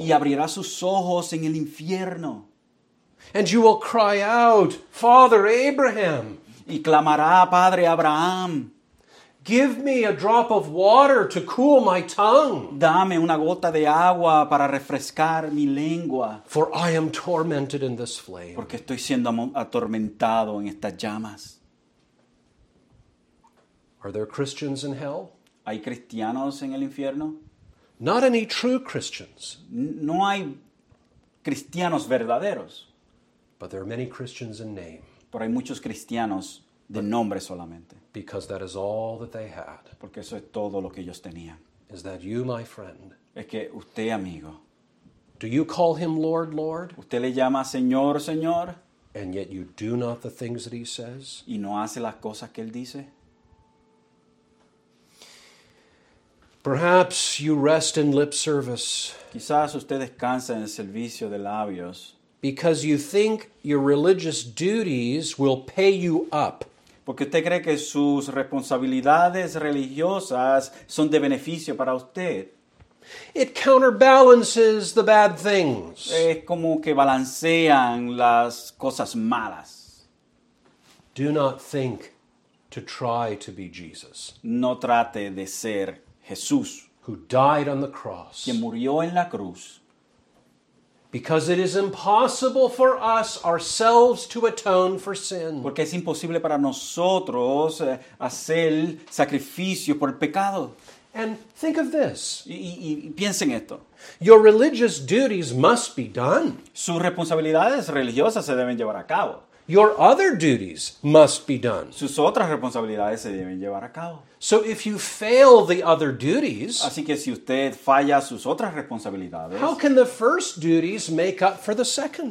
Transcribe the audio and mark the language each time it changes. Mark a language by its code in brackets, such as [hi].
[es] Y abrirá sus ojos en el infierno. [en] And you will cry out, Father Abraham. [es] Y clamará, Padre Abraham. [en] Give me a drop of water to cool my tongue. [es] Dame una gota de agua para refrescar mi lengua. [en] For I am tormented in this flame. [es] Porque estoy siendo atormentado en estas llamas. [en] Are there Christians in hell? [es] ¿Hay cristianos en el infierno? [en] Not any true Christians. [es] No hay cristianos verdaderos. [en] But there are many Christians in name. [es] Pero hay muchos cristianos de nombre solamente. [en] Because that is all that they had. [es] Porque eso es todo lo que ellos tenían. [en] Is that you, my friend? [es] Es que usted, amigo. [en] Do you call him Lord, Lord? [es] ¿Usted le llama Señor, Señor? [en] And yet you do not the things that he says? [es] ¿Y no hace las cosas que él dice? [en] Perhaps you rest in lip service. [es] Quizás usted descansa en el servicio de labios. [en] Because you think your religious duties will pay you up. [es] Porque usted cree que sus responsabilidades religiosas son de beneficio para usted. [en] It counterbalances the bad things. [es] Es como que balancean las cosas malas. [en] Do not think to try to be Jesus. [es] No trate de ser Jesús, [en] who died on the cross, [es] quien murió en la cruz, [en] because it is impossible for us ourselves to atone for sin, [es] porque es imposible para nosotros hacer sacrificio por el pecado. [en] And think of this. [es] Y piensen esto. [en] Your religious duties must be done. [es] Sus responsabilidades religiosas se deben llevar a cabo. [en] Your other duties must be done. [es] Sus otras responsabilidades se deben llevar a cabo. [en] So if you fail the other duties, [es] así que si usted falla sus otras responsabilidades, [en] how can the first duties make up for the second?